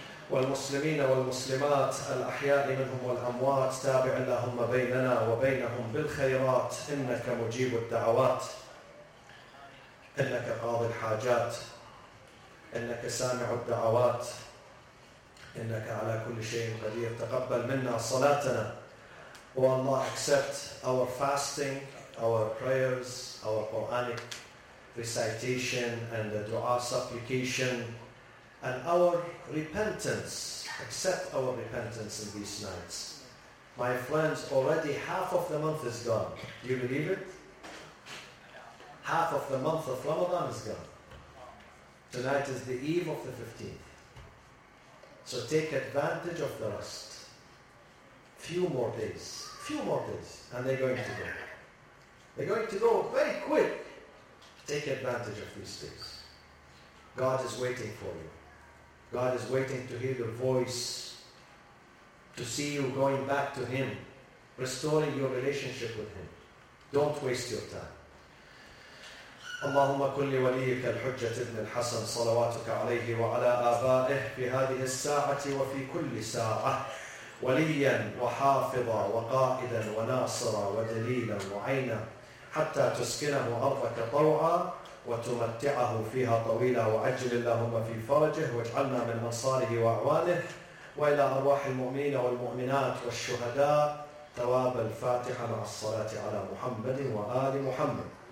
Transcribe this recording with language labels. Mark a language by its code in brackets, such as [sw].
[ar] والمسلمين والمسلمات الأحياء منهم والأموات تابع اللهم بيننا وبينهم بالخيرات إنك مجيب الدعوات إنك قاضي الحاجات إنك سامع الدعوات إنك على كل شيء قدير. تقبل منا صلاتنا. [en] Oh Allah, accept our fasting, our prayers, our Quranic recitation and the dua supplication and our repentance. Accept our repentance in these nights. My friends, already half of the month is gone. Do you believe it? Half of the month of Ramadan is gone. Tonight is the eve of the 15th. So take advantage of the rest. Few more days, and they're going to go. They're going to go very quick. Take advantage of these days. God is waiting for you. God is waiting to hear your voice, to see you going back to Him, restoring your relationship with Him. Don't waste your time. [ar] اللهم كل وليك الحجة ابن الحسن صلواتك عليه وعلى آبائه في هذه الساعة وفي كل ساعة وليا وحافظا وقائدا وناصرا ودليلا وعينا حتى تسكنه أرضك طوعا وتمتعه فيها طويلا وعجل اللهم في فرجه واجعلنا من أنصاره وأعوانه وإلى أرواح المؤمنين والمؤمنات والشهداء تواب الفاتحة مع الصلاة على محمد وآل محمد.